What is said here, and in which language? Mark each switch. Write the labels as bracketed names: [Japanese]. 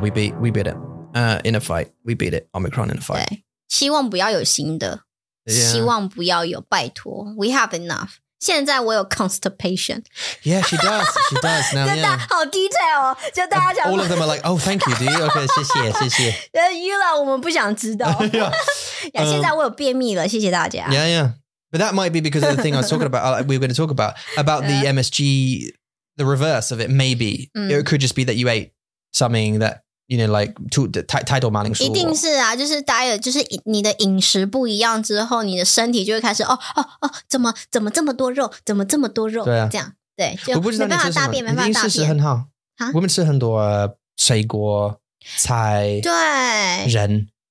[English] We beat it in a fight. We beat it, Omicron in a fight. [Chinese] 希望不要有新的。 [English] Yeah. [Chinese] 希望不要有, 拜托, [English] we have enough. [Chinese] 现在我有 constipation. [English] Yeah, she does. She does. Now, yeah. [Chinese] 好 detail 哦，就大家讲。 [English] All of them are like, oh, thank you, do you? [Chinese] Okay, 谢谢，谢谢。 Eula, 我们不想知道。现在我有便秘了，谢谢大家。 [English] Yeah, yeah. But that might be because of the thing I was talking about, we were going to talk about the MSG, the reverse of it, maybe. It could just be that you ate something that, you know, like, [Chinese] 太多马铃薯。一定是啊，就是 diet, 就是你的饮食不一样之后，你的身体就会开始，哦哦哦，怎么这么多肉，怎么这么多肉，对啊，这样，对，我不知道你吃什么，没办法大便，没办法大便。你饮食很好，我们吃很多水果、菜，对，人。